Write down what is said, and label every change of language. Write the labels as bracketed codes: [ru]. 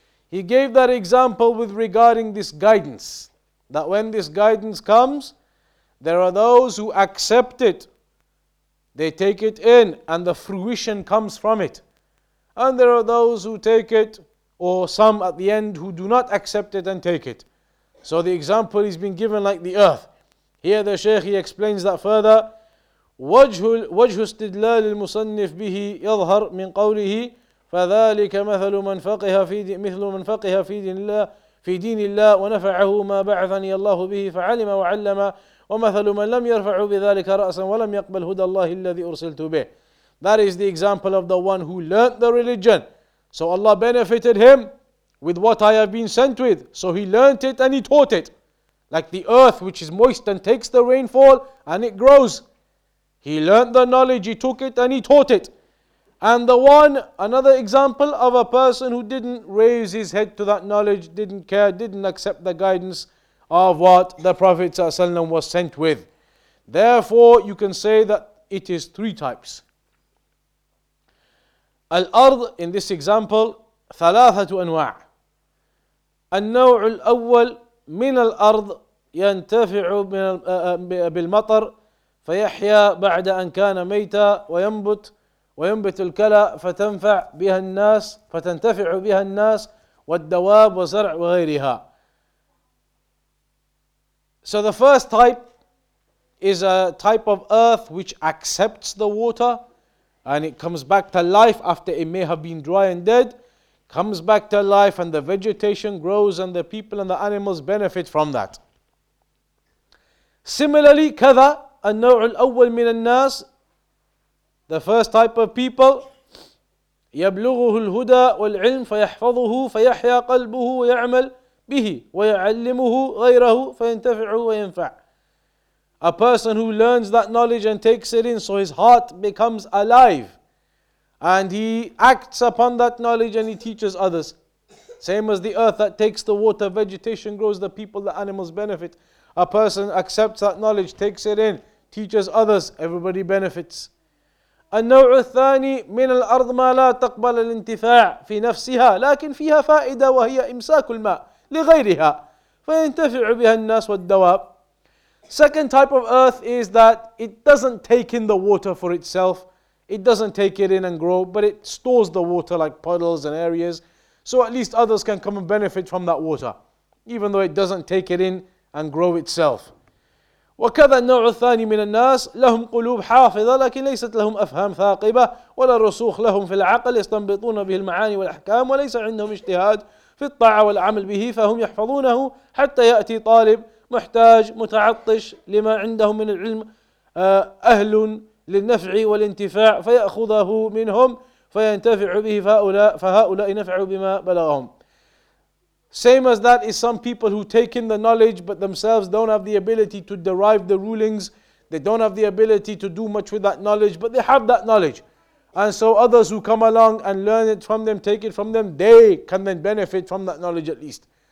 [en] He gave that example with regarding this guidance. That when this guidance comes, there are those who accept it. They take it in and the fruition comes from it. And there are those who take it, or some at the end who do not accept it and take it. So the example is being given like the earth. Here the Shaykh, he explains that further. [ar] وجه استدلال المصنف به يظهر من قوله فذلك مثل من فقه في مثل من فقه في دين الله في دين الله ونفعه ما بعثني الله به فعلم وعلم ومثل من لم يرفع بذلك رأسا ولم يقبل هدى الله الذي أرسلت به. [en] That is the example of the one who learnt the religion. So Allah benefited him with what I have been sent with. So he learnt it and he taught it. Like the earth which is moist and takes the rainfall and it grows. He learnt the knowledge, he took it and he taught it. And the one, another example of a person who didn't raise his head to that knowledge, didn't care, didn't accept the guidance of what the Prophet ﷺ was sent with. Therefore, you can say that it is three types. Al-Ard, in this example, [ar] ثلاثة أنواع. النوع الأول من الأرض ينتفع بالمطر فيحيا بعد أن كان ميتا وينبت وينبت الكلى فتنفع بها الناس فتنتفع بها الناس والدواب وزرع وغيرها. [en] So the first type is a type of earth which accepts the water and it comes back to life after it may have been dry and dead, comes back to life and the vegetation grows and the people and the animals benefit from that. Similarly, [ar] كذا النوع الأول من الناس, [en] the first type of people, [ar] يبلغه الهدى والعلم فيحفظه فيحيا قلبه ويعمل به ويعلمه غيره فينتفع وينفع. [en] A person who learns that knowledge and takes it in, so his heart becomes alive. And he acts upon that knowledge and he teaches others. Same as the earth that takes the water, vegetation grows, the people, the animals benefit. A person accepts that knowledge, takes it in, teaches others, everybody benefits. [ar] النوع الثاني من الأرض ما لا تقبل الانتفاع في نفسها لكن فيها فائدة وهي إمساك الماء لغيرها فينتفع بها الناس والدواب. [en] Second type of earth is that it doesn't take in the water for itself. It doesn't take it in and grow, but it stores the water like puddles and areas, so at least others can come and benefit from that water, even though it doesn't take it in and grow itself. [ar] وكذا النوع الثاني من الناس لهم قلوب حافظة لكن ليست لهم أفهام ثاقبة ولا رسوخ لهم في العقل يستنبطون به المعاني والأحكام وليس عندهم اجتهاد في الطاعة والعمل به فهم يحفظونه حتى يأتي طالب محتاج متعطش لما عندهم من العلم أهل للنفع والانتفاع فيأخذه منهم فينتفع به فهؤلاء نفعوا بما بلغهم. [en] Same as that is some people who take in the knowledge but themselves don't have the ability to derive the rulings. They don't have the ability to do much with that knowledge but they have that knowledge. And so others who come along and learn it from them, take it from them, they can then benefit from that knowledge at least.